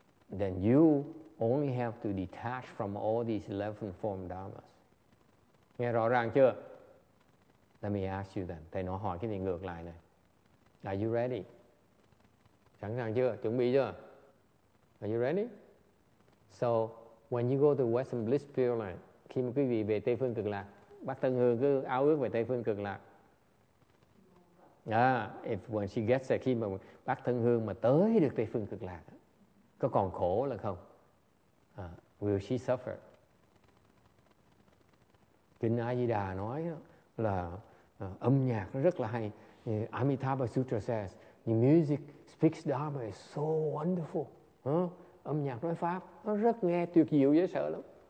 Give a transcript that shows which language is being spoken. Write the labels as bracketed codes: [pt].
[en] then you only have to detach from all these 11 form dharmas. [vi] Nghe rõ ràng chưa? [en] Let me ask you then. [vi] Thầy nói hỏi cái gì ngược lại này. [en] Are you ready? [vi] Sẵn sàng chưa? Chuẩn bị chưa? [en] Are you ready? So, when you go to Western Bliss Pure Land, [vi] khi mà quý vị về Tây Phương Cực Lạc, bác Tân Hương cứ ao ước về Tây Phương Cực Lạc. [en] If when she gets there, [vi] khi mà bác Tân Hương mà tới được Tây Phương Cực Lạc, có còn khổ là không? [en] Will she suffer? [vi] Kinh A-di-đà nói đó, là âm nhạc rất là hay. [en] Amitabha Sutra says, the music speaks Dharma is so wonderful. [vi] Âm nhạc nói pháp nó rất nghe tuyệt diệu dễ sợ lắm.